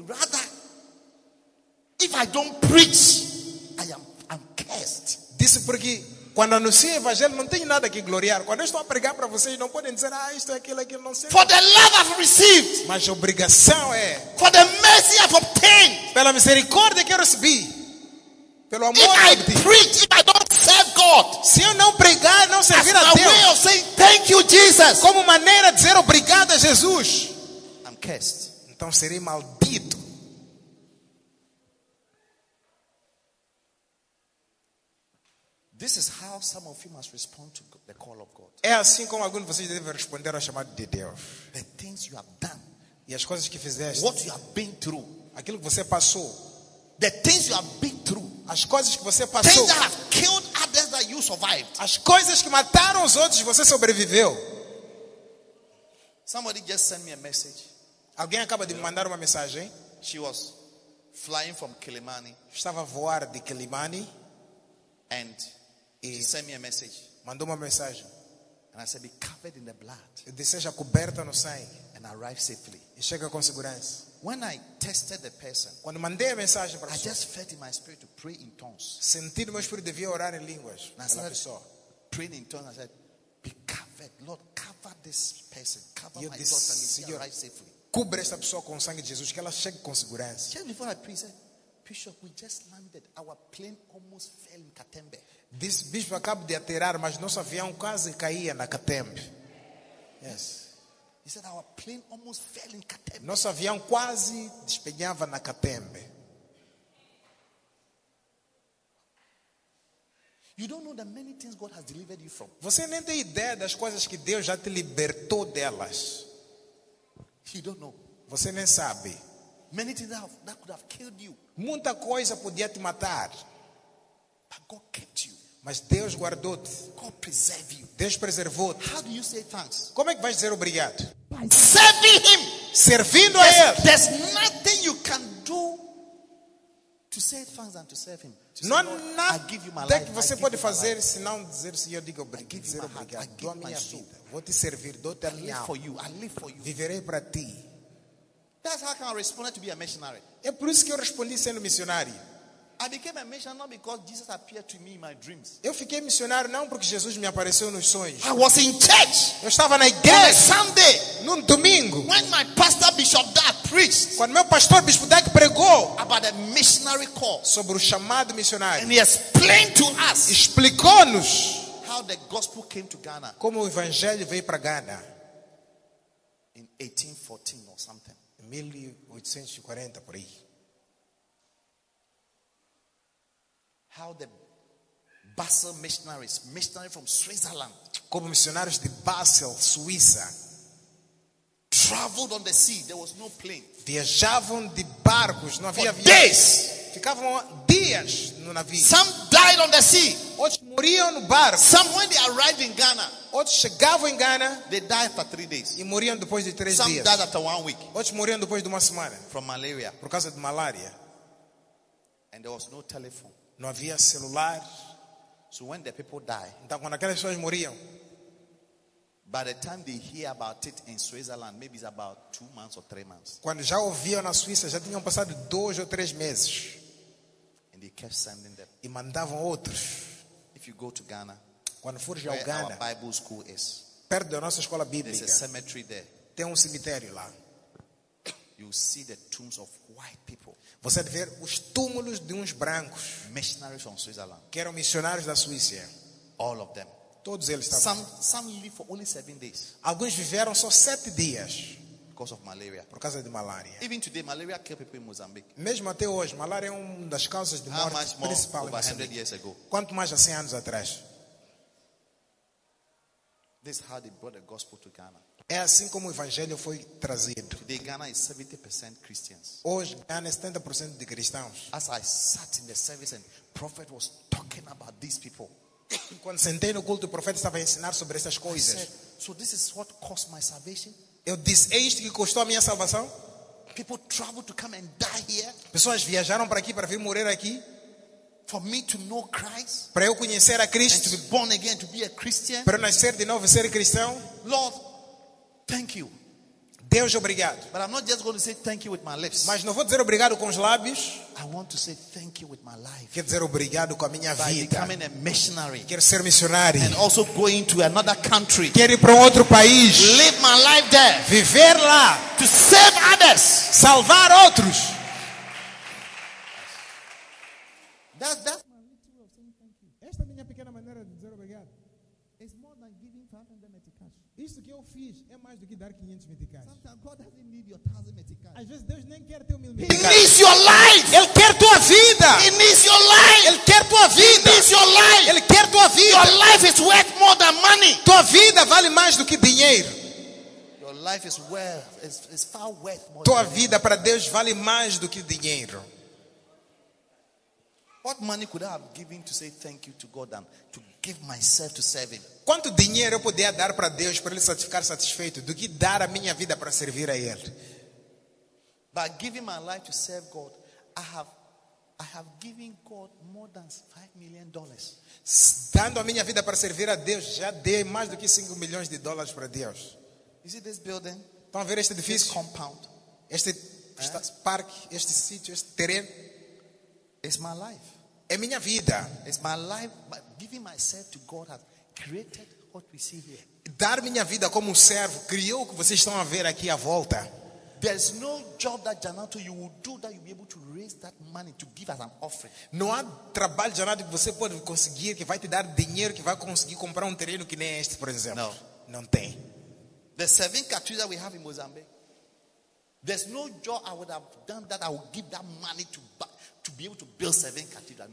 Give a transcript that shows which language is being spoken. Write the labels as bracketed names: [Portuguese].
[English] Rather, if I don't preach, I'm cursed. [Portuguese] Disse porque quando anuncio o evangelho não tenho nada que gloriar. Quando eu estou a pregar para vocês, não podem dizer isto, aquilo, não sei. [English] For the love I've received. [Portuguese] Mas a obrigação é. [English] For the mercy I've obtained. [Portuguese] Pela misericórdia que eu recebi. Pelo amor [English] if I [Portuguese] obtive. [English] Preach, if I don't serve God, [Portuguese] se eu não pregar, não servir a Deus, [English] way of saying, thank you, Jesus, [Portuguese] como maneira de dizer obrigado a Jesus, [English] I'm cursed. [Portuguese] Então serei maldito. [English] This is how some of you must respond to the call of God. [Portuguese] É assim como alguns de vocês devem responder ao chamado de Deus. [English] The things you have done, [Portuguese] e as coisas que fizeste, [English] what you have been through, [Portuguese] aquilo que você passou, [English] the things you have been through. [Portuguese] As coisas que você passou. [English] Things that have killed others that you survived. [Portuguese] As coisas que mataram os outros você sobreviveu. [English] Somebody just sent me a message. [Portuguese] Alguém acaba de me mandar uma mensagem. [English] She was flying from Kilimani. [Portuguese] Estava a voar de Kilimani. [English] And she sent me a message. [Portuguese] Mandou uma mensagem. [English] And I said, be covered in the blood. [Portuguese] Eu disse, seja coberta no sangue. [English] And arrive safely. [Portuguese] E chega com segurança. [English] When I tested the person, [Portuguese] quando mandei a mensagem para [English] I just felt in my spirit to pray in tongues. [Portuguese] Senti no meu espírito devia orar em línguas. [English] Praying in tongues, I said, be covered, Lord, cover this person, cover [Portuguese] eu [English] my [Portuguese] disse, [English] daughter, and she arrives safely. [Portuguese] Cubra esta pessoa com o sangue de Jesus, que ela chegue com segurança. [English] Just before I preached, Bishop, we just landed. Our plane almost fell in Katembe. This bishop [Portuguese] acaba de aterrar, mas nosso avião quase caía na Katembe. [English] Yes. He said our plane almost fell in Katembe. [Portuguese] Nosso avião quase despenhava na Katembe. [English] You don't know the many things God has delivered you from. [Portuguese] Você nem tem ideia das coisas que Deus já te libertou delas. [English] You don't know. [Portuguese] Você nem sabe. [English] Many things that could have killed you. [Portuguese] Muita coisa podia te matar. [English] But God kept you. [Portuguese] Mas Deus guardou-te. [English] God preserve you. [Portuguese] Deus preservou-te. [English] How do you say thanks? [Portuguese] Como é que vais dizer obrigado? [English] By serving him. [Portuguese] Servindo [English] there's, [Portuguese] a ele. [English] There's nothing you can do to say thanks and to serve him. [Portuguese] Não há nada que você pode fazer senão dizer Senhor, diga obrigado. Dizer obrigado. Dou-me a vida. Vou te servir. Dou-te a minha alma. [English] I live for you. [Portuguese] Viverei para ti. [English] That's how I can respond to be a missionary. [Portuguese] É por isso que eu respondi sendo missionário. [English] I became a missionary not because Jesus appeared to me in my dreams. [Portuguese] Eu fiquei missionário não porque Jesus me apareceu nos sonhos. [English] I was in church. [Portuguese] Eu estava na igreja. [English] On a Sunday. [Portuguese] Num domingo. [English] When my pastor Bishop Dag preached. [Portuguese] Quando meu pastor Bishop Dag pregou. [English] About a missionary call. [Portuguese] Sobre o chamado missionário. [English] And he explained to us. [Portuguese] Explicou-nos. [English] How the gospel came to Ghana. [Portuguese] Como o evangelho veio para Ghana. [English] In 1814 or something. [Portuguese] 1840 por aí. [English] how the Basel missionaries from Switzerland, [Portuguese] como missionários de Basel, Suíça, [English] traveled on the sea. There was no plane. [Portuguese] Viajavam de barcos, não havia [English] avião. Days. [Portuguese] Ficavam dias no navio. [English] Some died on the sea. [Portuguese] Outros morriam no barco. [English] Some when they arrived in Ghana. [Portuguese] Outros chegavam em Ghana. [English] They died after 3 days. [Portuguese] E morriam depois de três [English] Some [Portuguese] dias. [English] Some died after 1 week. [Portuguese] Outros morriam depois de uma semana. [English] From malaria. [Portuguese] Por causa de malária. [English] And there was no telephone. [Portuguese] Não havia celular. [English] So when the people die. [Portuguese] Então quando aquelas pessoas morriam. [English] By the time they hear about it in Switzerland, maybe it's about 2 months or 3 months. [Portuguese] Quando já ouviam na Suíça, já tinham passado 2 ou 3 meses. [English] And they kept sending them. [Portuguese] E mandavam outros. [English] If you go to Ghana, [Portuguese] quando for ao Ghana, [English] our Bible school is, [Portuguese] perto da nossa escola bíblica, [English] there's a cemetery there. [Portuguese] Tem cemitério lá. [English] You see the tombs of white people. [Portuguese] Você vê os túmulos de uns brancos. [English] Missionaries from Switzerland. [Portuguese] Que eram missionários da Suíça. [English] All of them. [Portuguese] Todos eles estavam. [English] Some live for only 7 days. [Portuguese] Alguns viveram só 7 dias. [English] Because of malaria. [Portuguese] Por causa de malária. [English] Even today, malaria kills people in Mozambique. [Portuguese] Mesmo até hoje, malária é uma das causas de morte principal em Moçambique. Quanto mais de 100 anos atrás. [English] This is how they brought the gospel to Ghana. [Portuguese] É assim como o evangelho foi trazido. [English] Today, Ghana is 70% Christians. [Portuguese] Hoje, Ghana é 70% de cristãos. [English] As I sat in the service and the prophet was talking about these people. [Portuguese] Quando sentei no culto, o profeta estava a ensinar sobre essas coisas. [English] Said, so this is what caused my salvation? [Portuguese] Eu disse, é isto que custou a minha salvação? [English] People travel to come and die here? [Portuguese] Pessoas viajaram para aqui para vir morrer aqui? [English] For me to know Christ? [Portuguese] Para eu conhecer a Cristo? [English] And to be born again, to be a Christian? [Portuguese] Para nascer de novo e ser cristão? [English] Lord, thank you. [Portuguese] Deus, obrigado. [English] But I'm not just going to say thank you with my lips. [Portuguese] Mas não vou dizer obrigado com os lábios. [English] I want to say thank you with my life. [Portuguese] Quero dizer obrigado com a minha [English] By [Portuguese] vida. [English] Becoming a missionary. [Portuguese] Quero ser missionário. [English] And also going to another country. [Portuguese] Quero ir para outro país. [English] Live my life there. [Portuguese] Viver lá. [English] To save others. [Portuguese] Salvar outros. [English] That's my little way of saying thank you. [Portuguese] Esta minha pequena maneira de dizer obrigado. [English] It's more than giving 500 meticais. [Portuguese] Isso que eu fiz é mais do que dar 500 meticais. [English] Sometimes God doesn't need your 1,000 meticais. [Portuguese] Às vezes Deus nem quer ter 1,000 [English] meticais. He needs your life. [Portuguese] Ele quer tua vida. [English] He needs your life. [Portuguese] Ele quer tua vida. [English] He needs your life. [Portuguese] Ele quer tua vida. [English] Your life is worth more than money. [Portuguese] Tua vida vale mais do que dinheiro. [English] Your life is worth is far worth more. [Portuguese] Tua vida para Deus vale mais do que dinheiro. [English] What money could I have given to say thank you to God and to give myself to serve him? [Portuguese] Quanto dinheiro eu podia dar para Deus para ele ficar satisfeito do que dar a minha vida para servir a ele? [English] By giving my life to serve God, I have given God more than $5 million. [Portuguese] Dando a minha vida para servir a Deus, já dei mais do que 5 milhões de dólares para Deus. [English] You see this building? [Portuguese] Estão a ver este edifício? [English] This compound. [Portuguese] Este parque, este sítio, este terreno. [English] It's my life. [Portuguese] É minha vida. [English] It's my life. But giving myself to God has created what we see here. [Portuguese] Dar minha vida como servo criou o que vocês estão a ver aqui à volta. [English] There's no job that Janato you will do that you'll be able to raise that money to give as an offering. [Portuguese] Não há trabalho Janato que você pode conseguir que vai te dar dinheiro que vai conseguir comprar terreno que nem este, por exemplo. [English] No. [Portuguese] Não tem. [English] The 7 cartridges that we have in Mozambique. There's no job I would have done that I would give that money to buy. To be able to build 7 cathedrals.